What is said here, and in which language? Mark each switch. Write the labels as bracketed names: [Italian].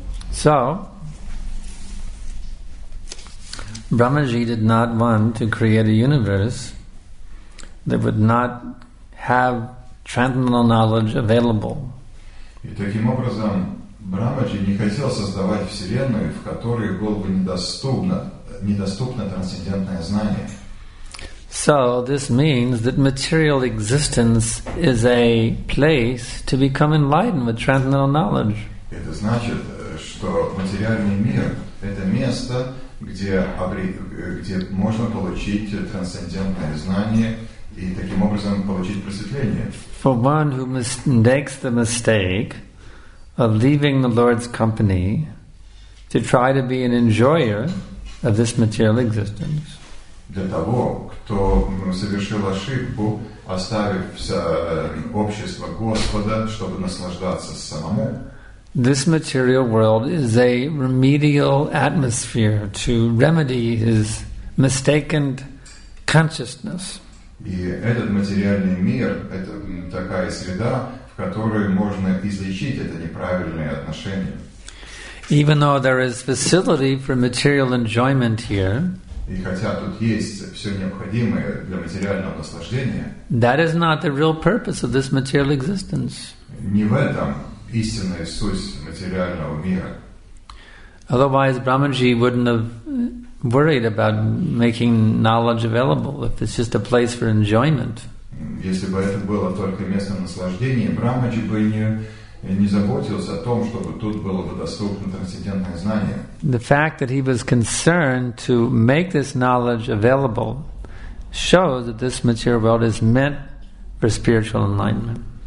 [English] So, Brahmaji did not want to create a universe that would not have transcendental knowledge available. [Russian] И таким образом, Брамаджи не хотел создавать вселенную, в которой было бы недоступно трансцендентное знание. [English] So this means that material existence is a place to become enlightened with transcendental knowledge. [Russian] Это значит, что материальный мир это место, где можно получить трансцендентное знание. И таким образом получить просветление. [English] For one who makes the mistake of leaving the Lord's company to try to be an enjoyer of this material existence. [Russian] Для того, кто совершил ошибку, оставив общество Господа, чтобы наслаждаться самому. [English] This material world is a remedial atmosphere to remedy his mistaken consciousness. [Russian] И этот материальный мир — это такая среда, в которой можно излечить это неправильное отношение. [English] Even though there is facility for material enjoyment here, [Russian] и хотя тут есть все необходимое для материального наслаждения, [English] that is not the real purpose of this material existence. [Russian] Не в этом истинная суть материального мира. [English] Otherwise, Brahmaji wouldn't have worried about making knowledge available if it's just a place for enjoyment. [Russian] Если бы это было только местом наслаждения, Брамаджи бы не заботился о том, чтобы тут было бы доступно трансцендентное знание. [English] The fact that he was concerned to make this knowledge available shows that this material world is meant for spiritual enlightenment.